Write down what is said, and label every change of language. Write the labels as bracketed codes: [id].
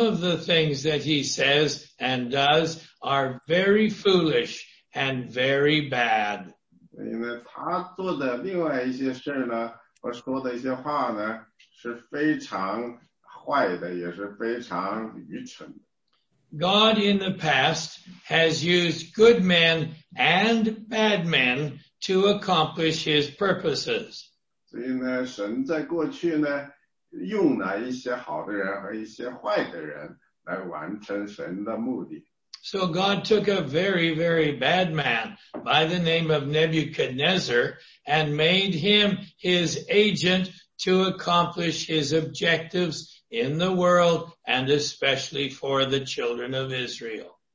[en] of the things that he says and does are very foolish and very bad. [zh] 因为他做的另外一些事呢，和说的一些话呢，是非常 [en] God in the past has used good men and bad men to accomplish his purposes. [zh] 所以呢，神在过去呢，用了一些好的人和一些坏的人来完成神的目的。 [en] So God took a very, very bad man by the name of Nebuchadnezzar and made him his agent to accomplish his objectives in the world, and especially for the children of Israel.